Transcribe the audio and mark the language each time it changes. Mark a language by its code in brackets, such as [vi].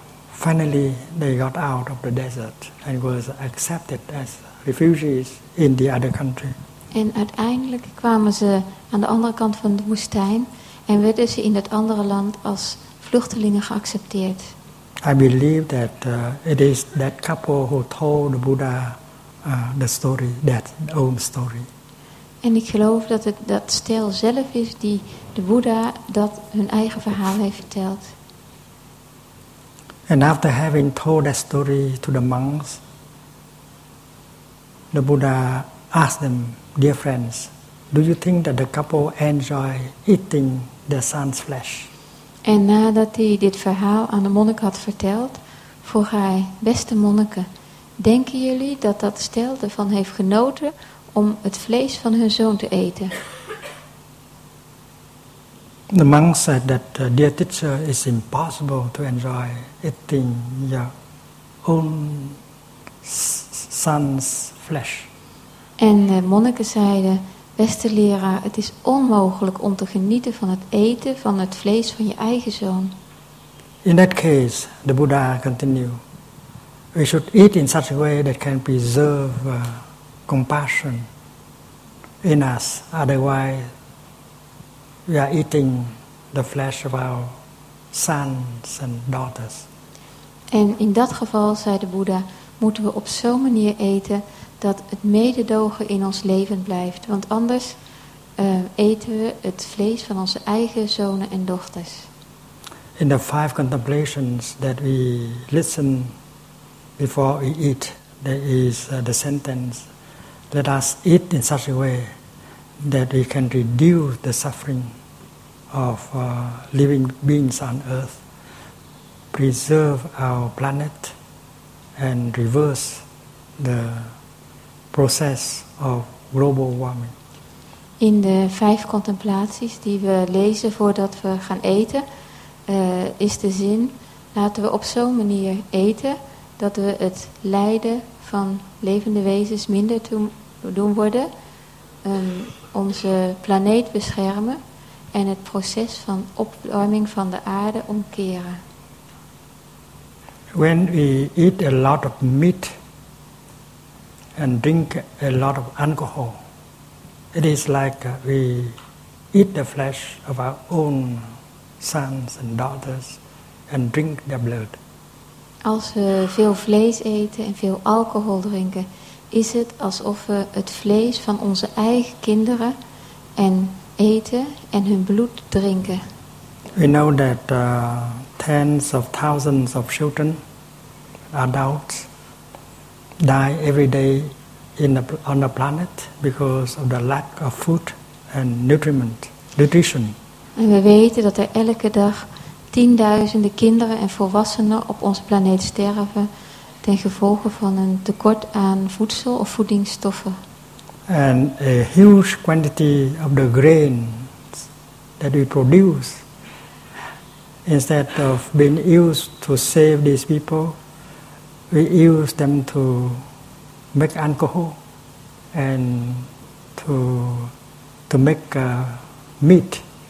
[en] Finally, they got out of the desert and was accepted as refugees in the other country. [nl] En uiteindelijk kwamen ze aan de andere kant van de woestijn en werden ze in dat andere land als vluchtelingen geaccepteerd. [en] I believe that it is that couple who told the Buddha the story, that own story. [nl] En ik geloof dat het dat stel zelf is die de Buddha dat hun eigen verhaal heeft verteld. [en] And after having told that story to the monks, the Buddha asked them, "Dear friends, do you think that the couple enjoy eating their son's flesh?" [nl] En nadat hij dit verhaal aan de monnik had verteld, vroeg hij, "Beste monniken, denken jullie dat dat stel ervan heeft genoten om het vlees van hun zoon te eten?" [en] The monk said that dear teacher, it's impossible to enjoy eating your own son's flesh. [nl] En de monniken zeiden, beste leraar, het is onmogelijk om te genieten van het eten van het vlees van je eigen zoon. [en] In that case, the Buddha continued, we should eat in such a way that can preserve compassion in us, otherwise we are eating the flesh of our sons and daughters. [nl] En in dat geval, zei de Boeddha, moeten we op zo'n manier eten dat het mededogen in ons leven blijft. Want anders eten we het vlees van onze eigen zonen en dochters. [en] In the five contemplations that we listen before we eat, there is the sentence, let us eat in such a way that we can reduce the suffering of living beings on earth, preserve our planet, and reverse the process of global warming. [nl] In de vijf contemplaties die we lezen voordat we gaan eten, is de zin, laten we op zo'n manier eten dat we het lijden van levende wezens minder doen worden, onze planeet beschermen, en het proces van opwarming van de aarde omkeren. [en] When we eat a lot of meat and drink a lot of alcohol, it is like we eat the flesh of our own sons and daughters and drink their blood. [nl] Als we veel vlees eten en veel alcohol drinken, is het alsof we het vlees van onze eigen kinderen en eten en hun bloed drinken. [en] We know that tens of thousands of children, adults, die every day on the planet because of the lack of food and nutrition. [nl] En we weten dat er elke dag tienduizenden kinderen en volwassenen op onze planeet sterven ten gevolge van een tekort aan voedsel of voedingsstoffen. [en] And a huge quantity of the grain that we produce, instead of being used to save these people, we use them to make alcohol and to make meat.